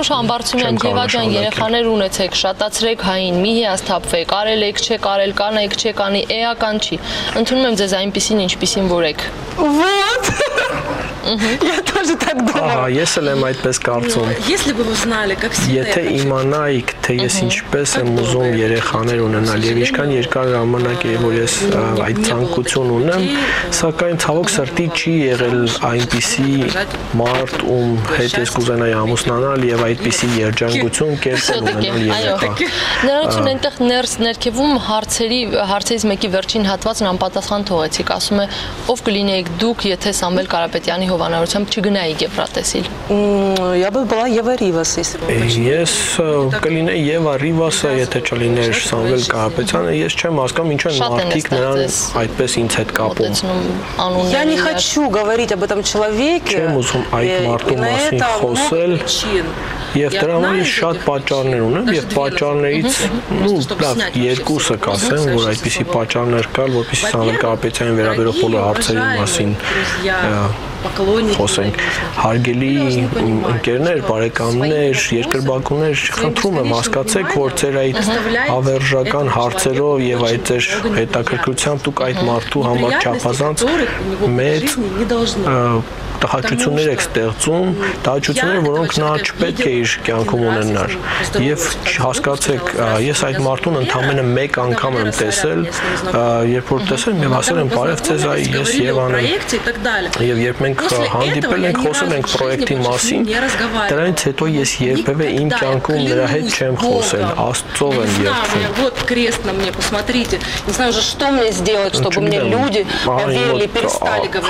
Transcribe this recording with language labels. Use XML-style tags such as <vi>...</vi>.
<hy>Անուշ Համբարձումյան, Գևորգյան, երեխաներ ունեցեք, շատացրեք հային, մի հիասթափվեք, կարել եք, չէ կարել, կանեք, չէ կանի, էական չի, ընդունում եմ ձեզ այնպիսին, ինչպիսին որ եք։</hy> <ru>Ոտ Я тоже так думаю.</ru> <hy>Ես էլ եմ այդպես կարծում։</hy> <ru>Если бы вы знали, как сильно</ru> <hy>Եթե իմանայիք, թե ես ինչպես եմ ուզում երեխաներ ունենալ եւ ինչքան երկար ժամանակ է, որ ես այդ ցանկություն ունեմ, սակայն ցավոք սրտի չի եղել այնպիսի մարդ, ում հետ ես կուզենայի ամուսնանալ եւ այդպիսի երջանկություն կերպով ունենալ երեխա։ Նրանցն այնտեղ ներս ներքևում հարցերից մեկի վերջին հատվածն անպատասխան թողեցիք, ասում է, ով կլինեիք դուք, եթե Սամվել Կարապետյանը</hy> <ru>Яни Хованаручам чигнаи Гефратесил. Я бы была Ева Ривас, если бы.</ru> <hy>Ես կլինե Ева Ռիվասը, եթե չլիներ Սամվել Կարապետյանը, ես չեմ հասկանում, ինչու են մարդիկ նրան այդպես ինձ հետ կապում։</hy> <ru>Я не хочу говорить об этом человеке.</ru> <hy>Չեմ ուզում այդ մարդու մասին խոսել։ Եվ դրա համար շատ պատճառներ ունեմ, եւ պատճառներից երկուսը կասեմ, որ այդպիսի պատճառներ կան, որպեսզի Սամվել Կարապետյանին վերաբերող բոլոր հարցերի մասին Խոսենք, հարգելի ընկերներ, բարեկամներ, երկրպագուներ, խնդրում եմ հասկացեք, որ ձեր այդ ավերժական հարցերով եւ այդ ձեր հետաքրքրությամբ դուք այդ մարդու համար չափազանց մեծ տհաճություններ եք ստեղծում, տհաճություններ, որոնք նա չպետք է իր կյանքում ունենար։ Եվ հասկացեք, ես այդ մարդուն ընդամենը մեկ անգամ եմ տեսել, երբ որ տեսել եմ, ասել եմ, բարև ձեզ, ես Եվան եմ։ Եվ երբ մենք հանդիպել ենք, խոսել ենք պրոյեկտի մասին, դրանից հետո ես երբևէ իմ կյանքում նրա հետ չեմ խոսել, Աստծով եմ երգում։</hy> <ru>Вот крест на мне, посмотрите. Не знаю уже, что мне сделать, чтобы мне люди поверили, перестали говорить.</ru>